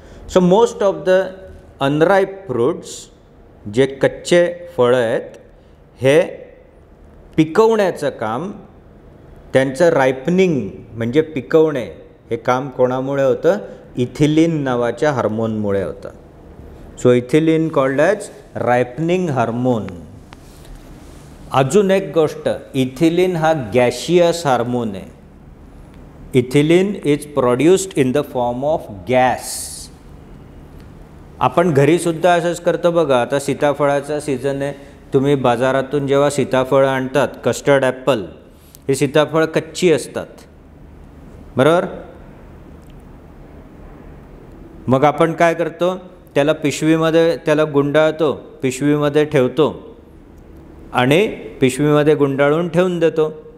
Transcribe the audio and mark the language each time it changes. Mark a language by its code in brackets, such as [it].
[en] so most of the unripe fruits, [mr] जे कच्चे फळं आहेत, हे पिकवण्याचं काम, त्यांचं रायपनिंग म्हणजे पिकवणे, हे काम कोणामुळे होतं? इथिलिन नावाच्या हार्मोनमुळे होतं. [en] So ethylene called as ripening hormone. [mr] अजून एक गोष्ट, इथिलिन हा गॅशियस हार्मोन आहे. [en] Ethylene is produced in the form of gas. [mr] आपण घरीसुद्धा असंच करतो बघा, आता सीताफळाचा सीझन आहे, तुम्ही बाजारातून जेव्हा सीताफळं आणतात, कस्टर्ड ॲपल, हे सीताफळं कच्ची असतात. बरोबर? मग आपण काय करतो, त्याला पिशवीमध्ये त्याला गुंडाळतो, पिशवीमध्ये ठेवतो आणि पिशवीमध्ये गुंडाळून ठेवून देतो.